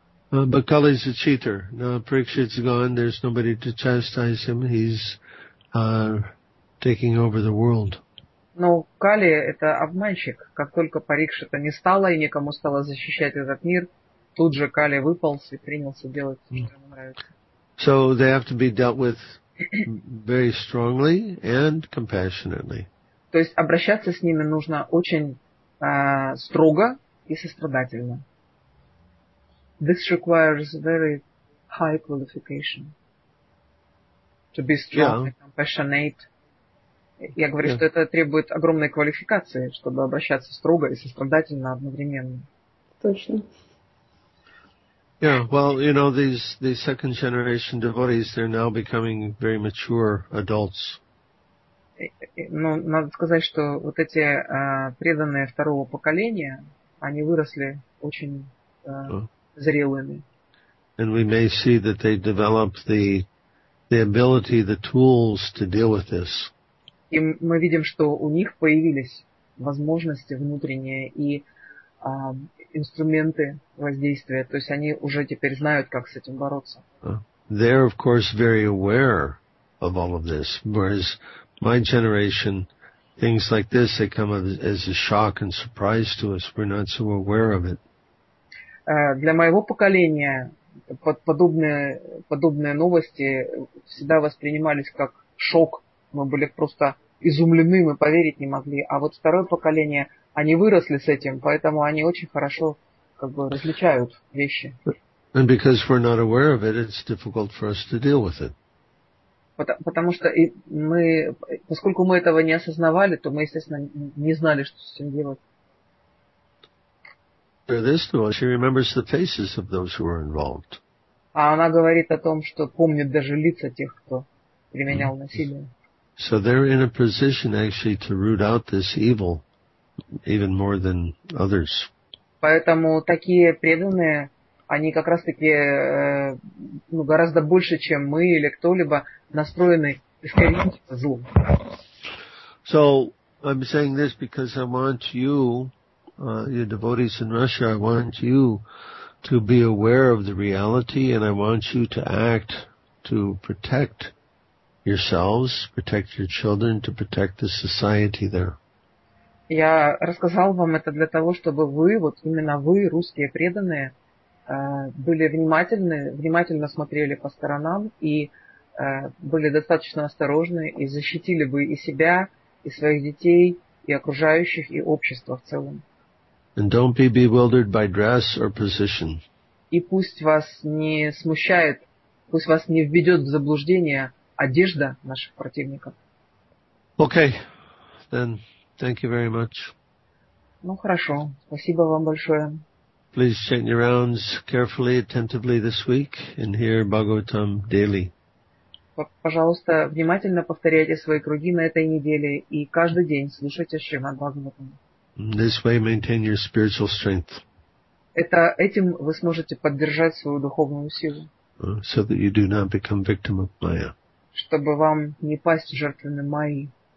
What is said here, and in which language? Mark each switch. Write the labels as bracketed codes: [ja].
[en] But Kali is a cheater. Now Parikshit's gone. There's nobody to chastise him. He's taking over the world. [ru] Но Кали это обманщик. Как только Парикшита не стало и никому стало защищать этот мир, тут же Кали выполз и принялся делать, что ему нравится. [en] So they have to be dealt with very strongly and compassionately. [ru] То есть обращаться с ними нужно очень строго и сострадательно. [en] This requires very high qualification to be strong and compassionate. [ru] Я говорю, что это требует огромной квалификации, чтобы обращаться строго и сострадательно одновременно. Точно. [en] Yeah, well, you know, these second generation devotees, they're now becoming very mature adults. [ru] Ну, надо сказать, что вот эти преданные второго поколения, они выросли очень зрелыми. [en] And we may see that they develop the ability, the tools to deal with this. [ru] И мы видим, что у них появились возможности внутренние и инструменты воздействия, то есть они уже теперь знают, как с этим бороться. [en] They're, of course, very aware of all of this, whereas my generation, things like this, they come as a shock and surprise to us. We're not so aware of it. [ru] Для моего поколения подобные новости всегда воспринимались как шок. Мы были просто изумлены, мы поверить не могли. А вот второе поколение, они выросли с этим, поэтому они очень хорошо как бы различают вещи. [en] And because we're not aware of it, it's difficult for us to deal with it. [ru] Потому что мы, поскольку мы этого не осознавали, то мы, естественно, не знали, что с этим делать. [en] This one, she remembers the faces of those who were involved. [ru] А она говорит о том, что помнит даже лица тех, кто применял насилие. [en] So they're in a position actually to root out this evil even more than others. [ru] Поэтому такие преданные они как раз-таки ну, гораздо больше, чем мы или кто-либо, настроены искоренить зло. [en] So, I'm saying this because I want you, your devotees in Russia, I want you to be aware of the reality and I want you to act to protect yourselves, protect your children, to protect the society there. [ru] Я рассказал вам это для того, чтобы вы, вот именно вы, русские преданные, были внимательны, внимательно смотрели по сторонам и были достаточно осторожны и защитили бы и себя, и своих детей, и окружающих, и общество в целом. [en] And don't be bewildered by dress or position. [ru] И пусть вас не смущает, пусть вас не введет в заблуждение одежда наших противников. [en] Okay, then. Thank you very much. [ru] Ну хорошо, спасибо вам большое. [en] Please chant your rounds carefully, attentively this week and hear Bhagavatam daily. [ru] Пожалуйста, внимательно повторяйте свои круги на этой неделе и каждый день слушайте Шримад Бхагаватам. [en] This way maintain your spiritual strength. [ru] Это этим вы сможете поддержать свою духовную силу. [en] So that you do not become victim of Maya. [ru] Чтобы вам не пасть жертвенным Майи.